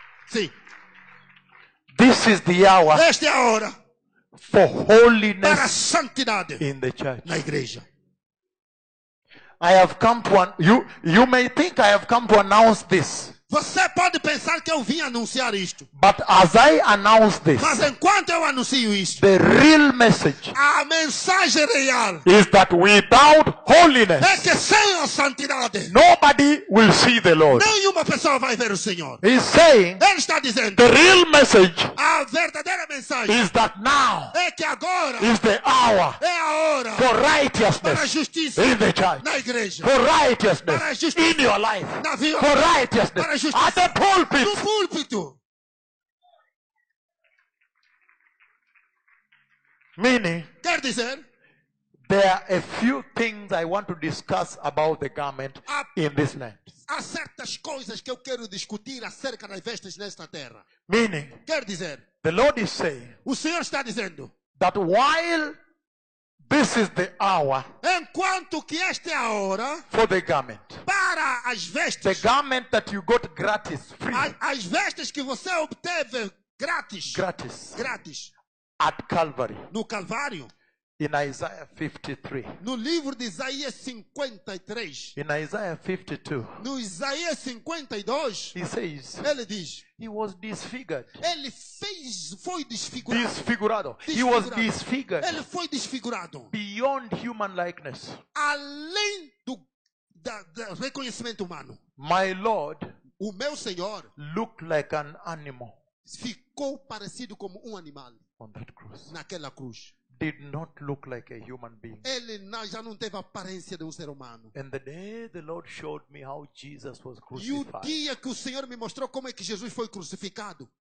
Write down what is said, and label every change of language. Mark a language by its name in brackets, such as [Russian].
[Portuguese] Sim. [English] This is the hour. [Portuguese] Esta é a hora. [English] For holiness. [Portuguese] Para a santidade. [English] In the church. [Portuguese] Na igreja. [English] I have come to you may think I have come to announce this. [Portuguese] Você pode pensar que eu vim anunciar isto. [English] But as I announce this, [Portuguese] mas enquanto eu anuncio isto, [English] the real message, [Portuguese] a mensagem real, [English] is that without holiness, [Portuguese] é que sem a santidade, [English] nobody will see the Lord. [Portuguese] Nenhuma pessoa vai ver o Senhor. [English] He's saying, [Portuguese] ele está dizendo, [English] the real message, [Portuguese] a verdadeira mensagem, [English] is that now, [Portuguese] é que agora, [English] is the hour, [Portuguese] é a hora, [English] for righteousness, [Portuguese] para justiça, [English] in the church, [Portuguese] na igreja, [English] for righteousness, [Portuguese] para justiça, [English] in your life, [Portuguese] na vida, [English] for righteousness. At the pulpit. [Portuguese] No púlpito. [English] Meaning. [Portuguese] Quer dizer, [English] there are a few things I want to discuss about the garment in this land. [Portuguese] Há certas coisas que eu quero discutir acerca das vestes nesta terra. [English] Meaning. [Portuguese] Quer dizer, [English] the Lord is saying. [Portuguese] O Senhor está dizendo. [English] That while this is the hour. [Portuguese] Enquanto que esta é a hora. [English] For the garment. [Portuguese] Para as vestes. [English] The garment that you got gratis, free. [Portuguese] As vestes que você obteve gratis. [English] Gratis. [Portuguese] Gratis. [English] At Calvary. [Portuguese] No Calvário. [English] In Isaiah 53. [Portuguese] No livro de Isaías 53. [English] In Isaiah 52. [Portuguese] No Isaías 52. [English] He says. [Portuguese] Ele diz. [English] He was disfigured. [Portuguese] Ele foi desfigurado. Disfigurado. [English] He was disfigured. [Portuguese] Ele foi desfigurado. [English] Beyond human likeness. [Portuguese] Além do reconhecimento humano. [English] My Lord. [Portuguese] O meu Senhor. [English] Looked like an animal. [Portuguese] Ficou parecido como animal. [English] On that cross. [Portuguese] Naquela cruz. [English] Did not look like a human being. [Portuguese] Ele já não teve a aparência de ser humano. [English] And the day the Lord showed me how Jesus was crucified. [Portuguese] E o dia que o Senhor me mostrou como é que Jesus foi crucificado.